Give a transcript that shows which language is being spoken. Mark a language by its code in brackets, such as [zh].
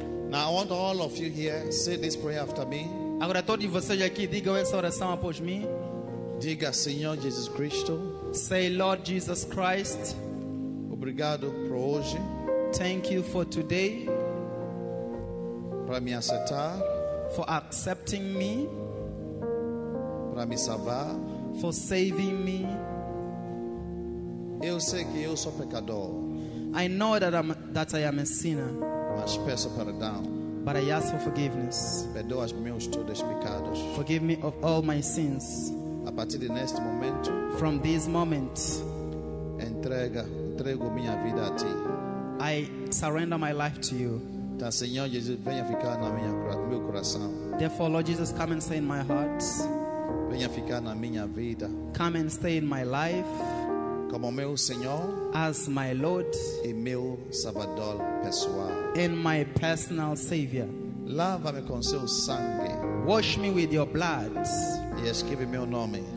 [en] Now I want all of you here say this prayer after me. [pt] Agora todos vocês aqui digam essa oração após mim. Diga Senhor Jesus Cristo. [en] Say Lord Jesus Christ. [pt] Obrigado por hoje. [en] Thank you for today. [pt] Para me aceitar. [en] For accepting me. [pt] Para me salvar. [en] For saving me. [pt] Eu sei que eu sou pecador. [en] I know that I am a sinner. [pt] Mas peço perdão. [en] But I ask for forgiveness. [pt] Perdoa-me meus todos pecados. [en] Forgive me of all my sins. [pt] A partir de neste momento. [en] From this moment. [pt] Entrego minha vida a ti. [en] I surrender my life to you. [pt] Então, Senhor Jesus, venha ficar na minha meu coração. [en] Therefore, Lord Jesus, come and stay in my heart. [pt] Venha ficar na minha vida. [en] Come and stay in my life. [pt] Como meu Senhor, [en] as my Lord, [pt] e meu Salvador pessoal, [en] and my personal Savior, [pt] lava-me com seu sangue, [en] wash me with your blood, [pt] e escreve meu nome,